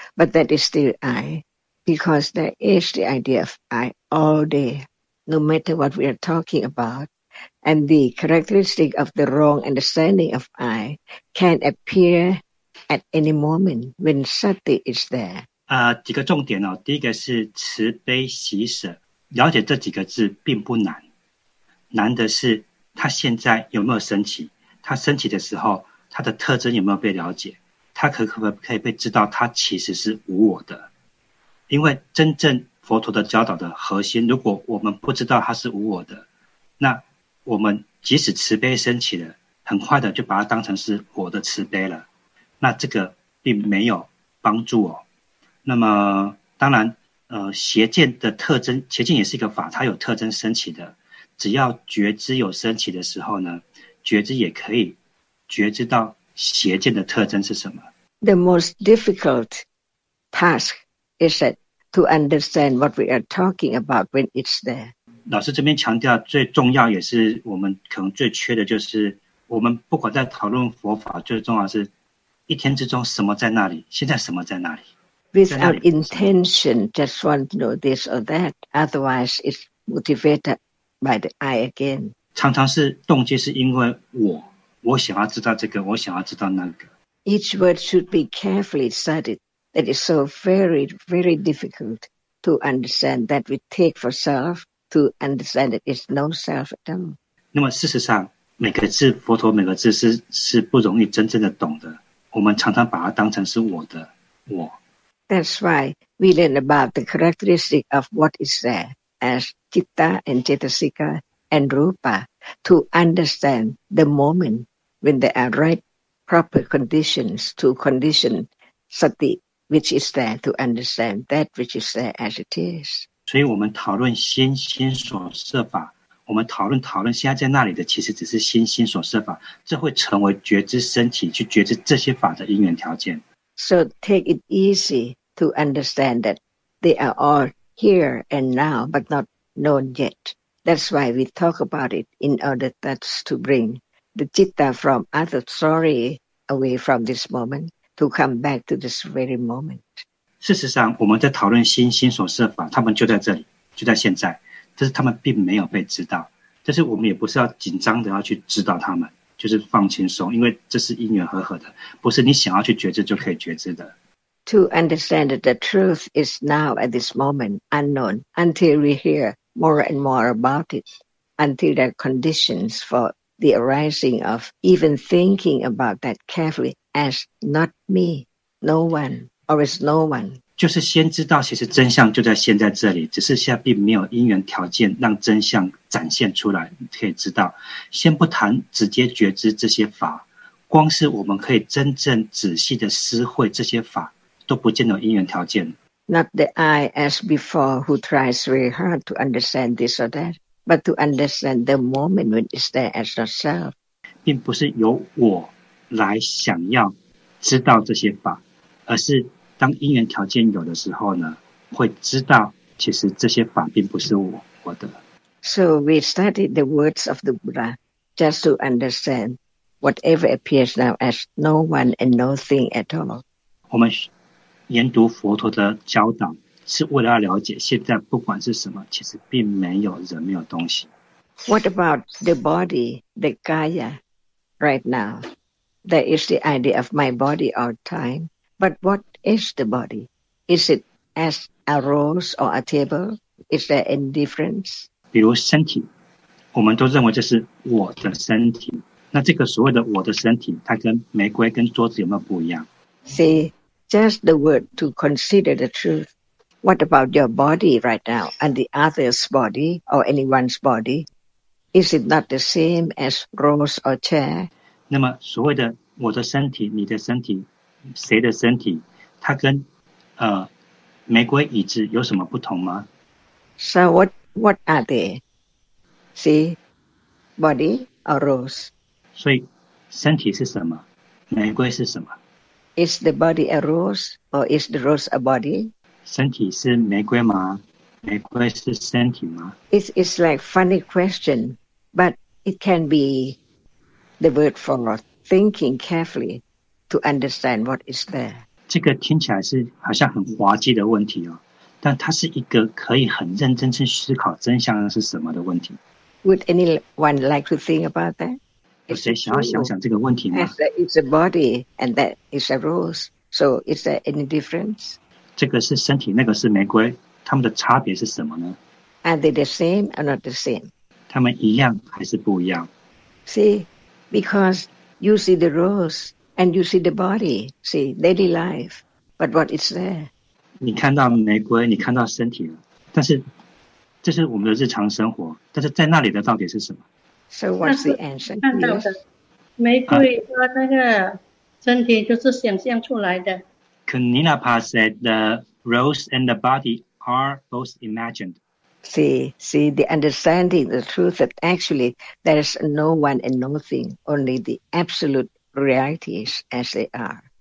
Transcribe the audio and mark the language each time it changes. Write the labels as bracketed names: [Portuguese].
[English] But that is still I, because there is the idea of I all day, no matter what we are talking about. And the characteristic of the wrong understanding of I can appear at any moment when sati is there. [Chinese] 几个重点哦，第一个是慈悲喜舍，了解这几个字并不难，难的是他现在有没有升起，他升起的时候他的特征有没有被了解，他可不可以被知道他其实是无我的。因为真正佛陀的教导的核心，如果我们不知道他是无我的，那我们即使慈悲升起了，很快的就把它当成是我的慈悲了，那这个并没有帮助哦。那么当然邪见的特征，邪见也是一个法，它有特征升起的，只要觉知有升起的时候呢，觉知也可以觉知到邪见的特征是什么。 [English] The most difficult task is that to understand what we are talking about when it's there. [Chinese] 老师这边强调最重要也是我们可能最缺的，就是我们不管在讨论佛法，最重要是一天之中什么在那里，现在什么在那里。 [English] Without intention, just want to know this or that. Otherwise, it's motivated by the I again. [Chinese] 常常是动机是因为我想要知道这个，我想要知道那个。 [English] Each word should be carefully studied. That is so very, very difficult to understand that we take for self, to understand that it's no self at all. [Chinese] 那么事实上，每个字佛陀每个字是不容易真正的懂的。我们常常把它当成是我的我。 [English] That's why we learn about the characteristic of what is there as citta and cetasika and rupa to understand the moment when there are right proper conditions to condition sati which is there to understand that which is there as it is. [Chinese] 所以我们讨论心所设法，我们讨论现在在那里的其实只是心所设法，这会成为觉知身体去觉知这些法的因缘条件。 [English] So take it easy to understand that they are all here and now, but not known yet. That's why we talk about it in order that's to bring the citta from other story away from this moment to come back to this very moment. [Chinese] 事实上，我们在讨论心所设法，他们就在这里，就在现在，但是他们并没有被知道。但是我们也不是要紧张的要去知道他们。就是放轻松，因为这是因缘和合的，不是你想要去觉知就可以觉知的。 [English] To understand that the truth is now at this moment unknown until we hear more and more about it, until there are conditions for the arising of even thinking about that carefully as not me, no one, or as no one. [Chinese] 就是先知道其实真相就在现在这里，只是现在并没有因缘条件让真相展现出来，可以知道。先不谈直接觉知这些法，光是我们可以真正仔细的思会这些法都不见得有因缘条件。 [English] Not the I as before who tries very hard to understand this or that, but to understand the moment when it's there as yourself. [Chinese] 并不是由我来想要知道这些法，而是当因缘条件有的时候呢，会知道其实这些法并不是我的。 [English] So we studied the words of the Buddha just to understand whatever appears now as no one and nothing at all. [Chinese] 我们研读佛陀的教导是为了要了解现在不管是什么其实并没有人没有东西。 [English] What about the body, the Gaia, right now? There is the idea of my body or time, but what is the body? Is it as a rose or a table? Is there any difference? [Chinese] 比如身体，我们都认为这是我的身体，那这个所谓的我的身体，它跟玫瑰跟桌子有没有不一样？ [English] See,Just the word to consider the truth. What about your body right now and the other's body or anyone's body? Is it not the same as rose or chair? [Chinese] 那么所谓的我的身体、你的身体、谁的身体，它跟玫瑰椅子有什么不同吗？ [English] So what are they? See, body or rose? [Chinese] 所以身体是什么？玫瑰是什么？ [English] Is the body a rose, or is the rose a body? [Chinese] 身体是玫瑰吗？玫瑰是身体吗？ [English] It's like funny question, but it can be the word for thinking carefully to understand what is there. [Chinese] 这个听起来是好像很滑稽的问题哦，但它是一个可以很认真去思考真相是什么的问题。 [English] Would anyone like to think about that? [Chinese] 有谁想要想想这个问题吗？ [English] It's a body and that is a rose. So is there any difference? [Chinese] 这个是身体，那个是玫瑰，它们的差别是什么呢？ [English] Are they the same or not the same? [Chinese] 它们一样还是不一样？ [English] See, because you see the rose and you see the body, see, daily life. But what is there? [Chinese] 你看到玫瑰，你看到身体了，但是这是我们的日常生活，但是在那里的到底是什么？ [English] So what's the answer? [Chinese] 看到的玫瑰和那个身体就是想象出来的。 [English] Kuninapa said the rose and the body are both imagined. See, the understanding, the truth that actually there is no one and nothing, only the absolute realities as they are.